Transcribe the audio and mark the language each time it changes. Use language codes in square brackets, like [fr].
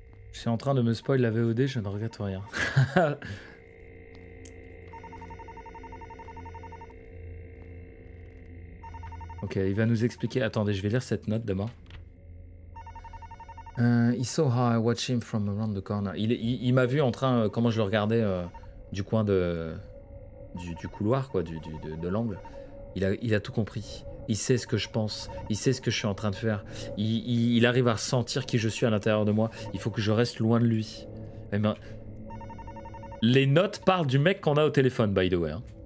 [fr] Je suis en train de me spoil la VOD, je ne regrette rien. Ok, il va nous expliquer. Attendez, je vais lire cette note d'abord. [en] He saw how I watched him from around the corner. [fr] Il m'a vu en train, comment je le regardais, du coin de... Du couloir, quoi, de l'angle. Il a tout compris. Il sait ce que je pense. Il sait ce que je suis en train de faire. Il arrive à ressentir qui je suis à l'intérieur de moi. Il faut que je reste loin de lui. Eh ben, les notes parlent du mec qu'on a au téléphone, [en] by the way. [fr] Hein.